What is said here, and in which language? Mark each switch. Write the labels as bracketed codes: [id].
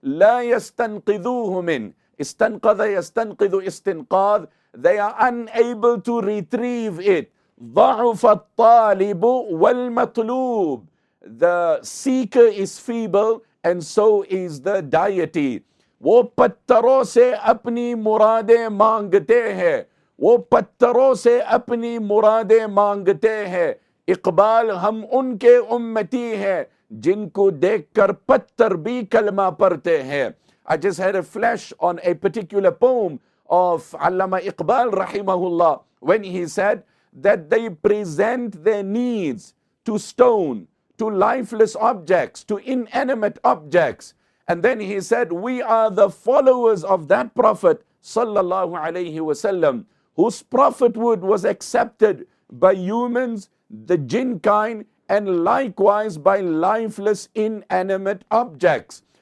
[ar] لَا يَسْتَنْقِذُوهُ مِنْ. إِسْتَنْقَذَ يَسْتَنْقِذُ إِسْتِنْقَاذ. [en] They are unable to retrieve it. [ar] ضَعُفَ الطَّالِبُ وَالْمَطْلُوبُ. [en] The seeker is feeble, and so is the deity. [ur] وہ پتروں سے اپنی مرادیں مانگتے ہیں. وہ پتروں سے اپنی مرادیں مانگتے ہیں. اقبال ہم ان کے امتی ہیں جن کو دیکھ کر پتر بھی کلمہ پڑھتے ہیں. [en] I just had a flash on a particular poem of Allama Iqbal rahimahullah when he said that they present their needs to stone, to lifeless objects, to inanimate objects. And then he said, we are the followers of that prophet sallallahu alayhi wasallam, whose prophethood was accepted by humans, the jinn kind, and likewise by lifeless inanimate objects.